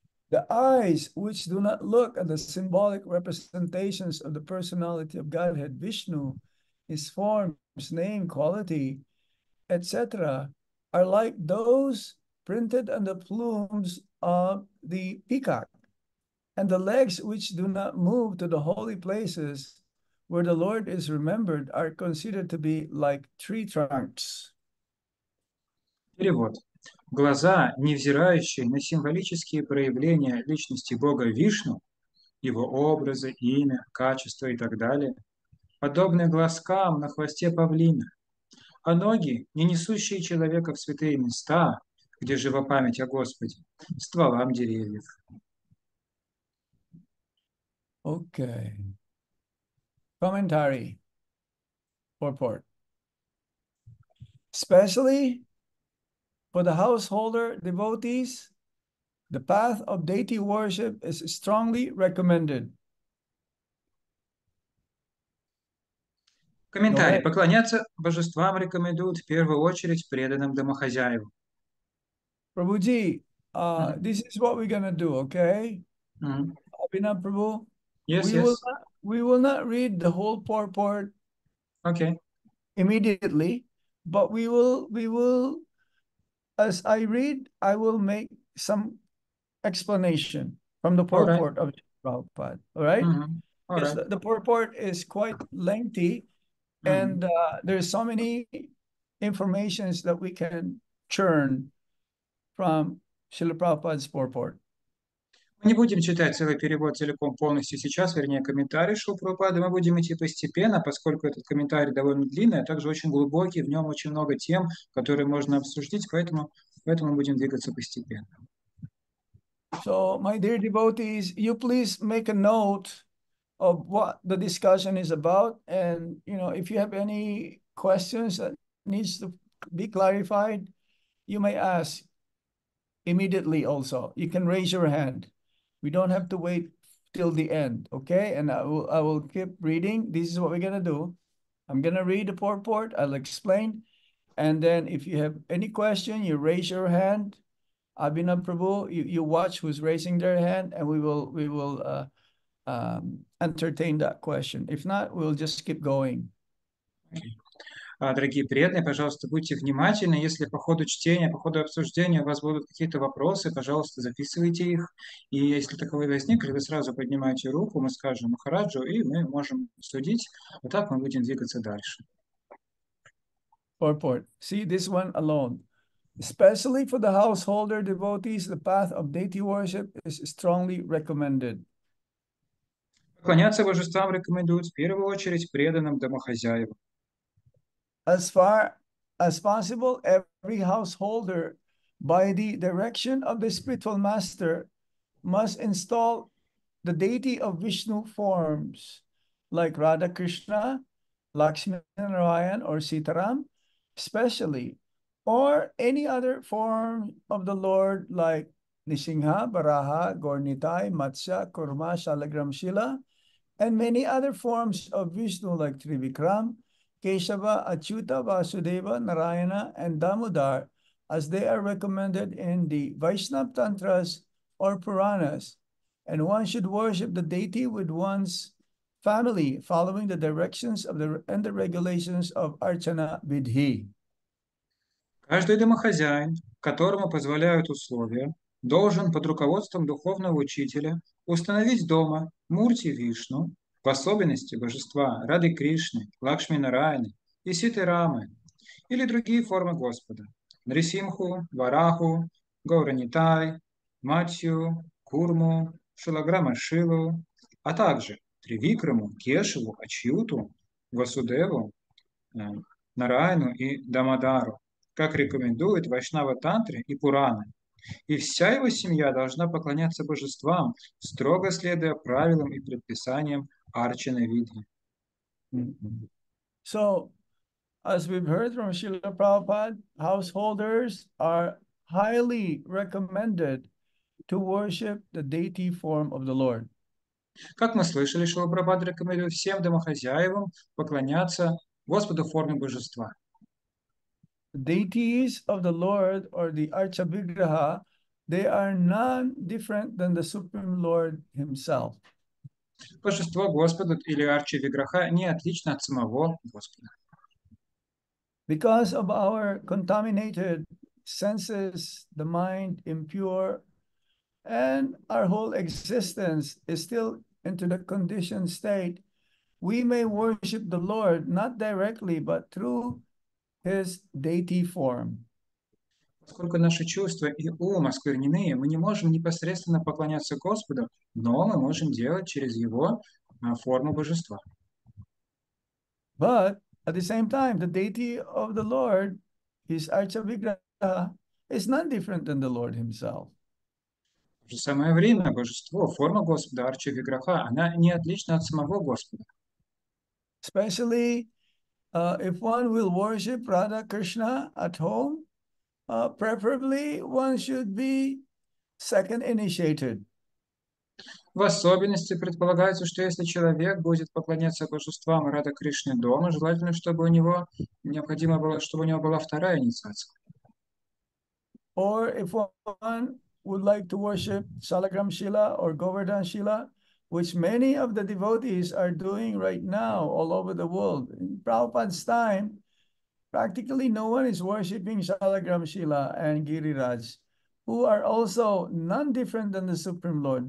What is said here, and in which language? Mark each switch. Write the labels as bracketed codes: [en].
[en] The eyes which do not look at the symbolic representations of the personality of Godhead, Vishnu, his forms, name, quality, etc., are like those printed on the plumes of the peacock. And the legs which do not move to the holy places where the Lord is remembered are considered to be like tree trunks. [ru] Перевод. Глаза, невзирающие на символические проявления личности Бога Вишну, его образы, имя, качества и так далее, подобны глазкам на хвосте павлина, а ноги, не несущие человека в святые места, где жива память о Господе, стволам деревьев. [en] Okay. Commentary purport. Specially for the householder devotees, the path of deity worship is strongly recommended. [ru] Комментарий. Давай. Поклоняться божествам рекомендуют в первую очередь преданным домохозяевам. [en] Prabhuji, this is what we're going to do, okay? Abhinav Prabhu, we will not read the whole purport okay. immediately, but we will, as I read, I will make some explanation from the purport of Prabhupada, all right? Because the purport is quite lengthy, and there's so many informations that we can churn from Srila Prabhupada's purport. [ru] Мы не будем читать целый перевод целиком полностью сейчас, вернее, комментарий Шрилы Прабхупады. Мы будем идти постепенно, поскольку этот комментарий довольно длинный, а также очень глубокий, в нем очень много тем, которые можно обсудить, поэтому мы будем двигаться постепенно. [en] So, my dear devotees, you please make a note of what the discussion is about, and you know, if you have any questions that needs to be clarified, you may ask immediately also. You can raise your hand. We don't have to wait till the end, okay? And I will keep reading. This is what we're going to do. I'm going to read the purport. I'll explain. And then if you have any question, you raise your hand. Abhinav Prabhu, you watch who's raising their hand, and we will entertain that question. If not, we'll just keep going. [ru] Дорогие преданные, пожалуйста, будьте внимательны. Если по ходу чтения, по ходу обсуждения у вас будут какие-то вопросы, пожалуйста, записывайте их. И если таковые возникли, вы сразу поднимаете руку, мы скажем Махараджу, и мы можем судить. Вот так мы будем двигаться дальше. [en] Purport. See this one alone. Especially for the householder devotees, the path of deity worship is strongly recommended. [ru] Поклоняться божествам рекомендуют в первую очередь преданным домохозяевам. [en] As far as possible, every householder, by the direction of the spiritual master, must install the deity of Vishnu forms like Radha Krishna, Lakshmi Narayan, or Sitaram, especially, or any other form of the Lord like Nisingha, Baraha, Gornitai, Matsya, Kurma, Shalagram Shila, and many other forms of Vishnu like Trivikram, Keshava, Achyuta, Vasudeva, Narayana, and Damodar, as they are recommended in the Vaishnava Tantras or Puranas. And one should worship the deity with one's family, following the directions of the regulations of Archana Vidhi. [ru] Каждый домохозяин, которому позволяют условия, должен под руководством духовного учителя установить дома Мурти Вишну, в особенности божества Рады Кришны, Лакшми Нараяны и Ситы Рамы или другие формы Господа – Нрисимху, Вараху, Гауранитай, Матью, Курму, Шилаграма Шилу, а также Тривикраму, Кешеву, Ачьюту, Васудеву, Нараяну и Дамодару, как рекомендуют Вайшнава Тантры и Пураны. И вся его семья должна поклоняться божествам, строго следуя правилам и предписаниям Archana Vidhi. [en] So, as we've heard from Srila Prabhupada, householders are highly recommended to worship the deity form of the Lord. [ru] Как мы слышали, Шрила Прабхупада рекомендует всем домохозяевам поклоняться Господу в форме божества. [en] Deities of the Lord or the Archavigraha, they are none different than the Supreme Lord himself. [ru] Божество Господа или Арчи-Виграха не отлично от самого Господа. [en] Because of our contaminated senses, the mind impure, and our whole existence is still into the conditioned state, we may worship the Lord not directly, but through his deity form. [ru] Поскольку наши чувства и ум осквернены, мы не можем непосредственно поклоняться Господу, но мы можем делать через Его форму божества. [en] But at the same time, the deity of the Lord, his Archavigraha, is none different than the Lord himself. [ru] В же самое время божество, форма Господа, Арчавиграха, она не отлична от самого Господа. [en] Especially if one will worship Radha Krishna at home, preferably, one should be second initiated. [ru] В особенности предполагается, что если человек будет поклоняться божествам Рада Кришны дома, желательно, чтобы у него необходимо было, чтобы у него была вторая инициация. [en] Or if one would like to worship Salagram Shila or Govardhan Shila, which many of the devotees are doing right now all over the world. In Prabhupada's time, practically no one is worshipping Salagram Shila and Giriraj, who are also none different than the Supreme Lord.